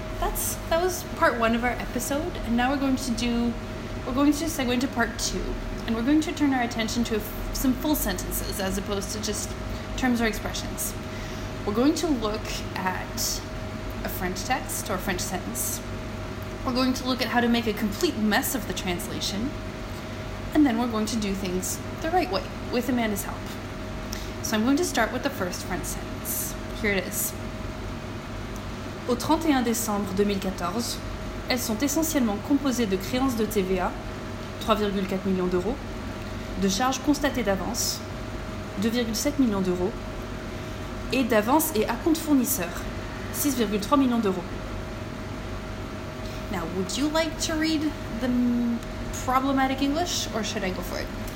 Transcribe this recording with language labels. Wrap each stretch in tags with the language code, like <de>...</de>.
<en>That was part one of our episode, and now we're going to segue into part two, and we're going to turn our attention to some full sentences as opposed to just terms or expressions. We're going to look at a French text or French sentence. We're going to look at how to make a complete mess of the translation. And then we're going to do things the right way, with Amanda's help. So I'm going to start with the first French sentence. Here it is.</en> <fr>Au 31 décembre 2014, elles sont essentiellement composées de créances de TVA, 3,4 millions d'euros, de charges constatées d'avance, 2,7 millions d'euros, et d'avance et acompte fournisseur, 6,3 millions d'euros.</fr> <en>Now, would you like to read the problematic English, or should I go for it?</en>